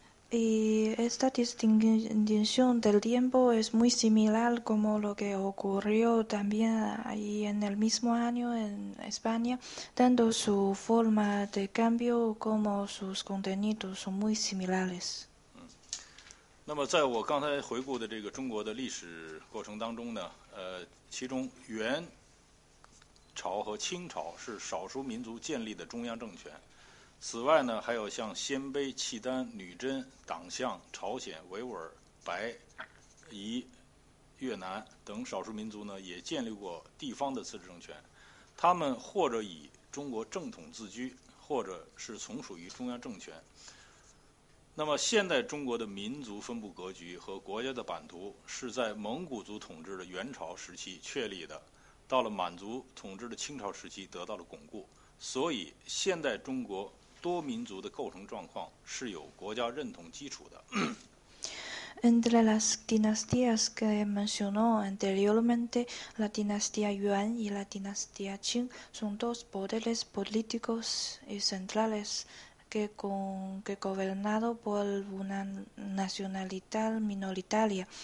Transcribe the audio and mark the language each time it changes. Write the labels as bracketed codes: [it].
[es] Y esta distinción del tiempo es muy similar como lo que ocurrió también ahí en el mismo año en España, tanto su forma de cambio como sus contenidos son muy similares. [zh] 那么在我刚才回顾的这个中国的历史过程当中呢，其中元朝和清朝是少数民族建立的中央政权。此外呢，还有像鲜卑、契丹、女真、党项、朝鲜、维吾尔、白、彝、越南等少数民族呢也建立过地方的自治政权，他们或者以中国正统自居，或者是从属于中央政权。那么现代中国的民族分布格局和国家的版图是在蒙古族统治的元朝时期确立的，到了满族统治的清朝时期得到了巩固，所以现代中国多民族的构成状况是有国家认同基础的。 [es] Entre las dinastías que mencionó anteriormente, la dinastía Yuan y la dinastía Qing son dos poderes políticos y centrales que gobernado por una nacionalidad minoritaria.